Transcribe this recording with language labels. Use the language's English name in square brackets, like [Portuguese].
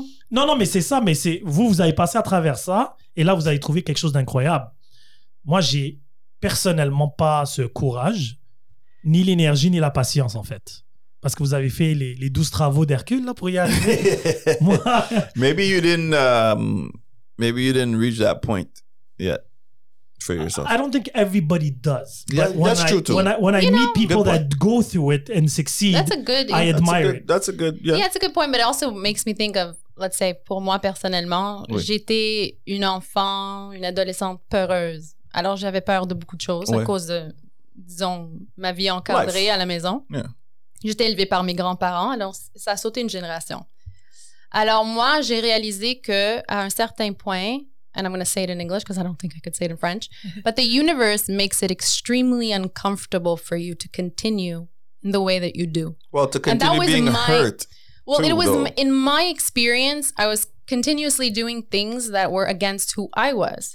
[French] Non, non, mais c'est ça, mais c'est... Vous, vous avez passé à travers ça, et là, vous avez trouvé quelque chose d'incroyable. Moi, j'ai personnellement pas ce courage, ni l'énergie, ni la patience, en fait. Parce que vous avez fait les 12 travaux d'Hercule là pour y arriver. Moi. [English] Maybe you didn't reach that point yet for yourself. I don't think everybody does. Yeah, that's true too. When I meet people that go through it and succeed, that's a good. I admire it. That's a good. Yeah, it's a good point, but it also makes me think of, let's say, [French] pour moi personnellement, oui. J'étais une enfant, une adolescente peureuse. Alors j'avais peur de beaucoup de choses oui. À cause de, disons, ma vie encadrée [English] life. [French] À la maison. [English] Yeah. [French] J'étais élevée par mes grands-parents, alors ça a sauté une génération. Alors moi, j'ai réalisé que à un certain point, [English] and I'm going to say it in English because I don't think I could say it in French, but the universe makes it extremely uncomfortable for you to continue in the way that you do. Well, to continue being hurt. Well, it was in my experience, I was continuously doing things that were against who I was.